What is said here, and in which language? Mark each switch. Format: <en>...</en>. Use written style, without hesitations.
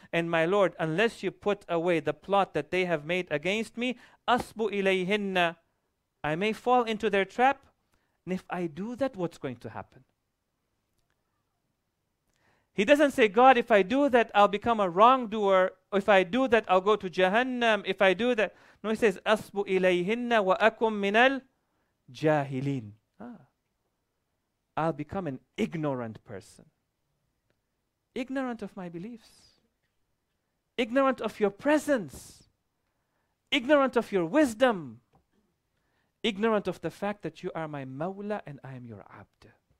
<en>And my Lord, unless you put away the plot that they have made against me,</en> <ar>أَصْبُ إِلَيْهِنَّ,</ar> <en>I may fall into their trap. And if I do that, what's going to happen? He doesn't say, God, if I do that, I'll become a wrongdoer. If I do that, I'll go to Jahannam. If I do that. No, he says,</en> <ar>أَصْبُ إِلَيْهِنَّ وَأَكُمْ مِنَ الْجَاهِلِينَ.</ar> <en>I'll become an ignorant person. Ignorant of my beliefs. Ignorant of your presence. Ignorant of your wisdom. Ignorant of the fact that you are my Mawla and I am your Abd.</en>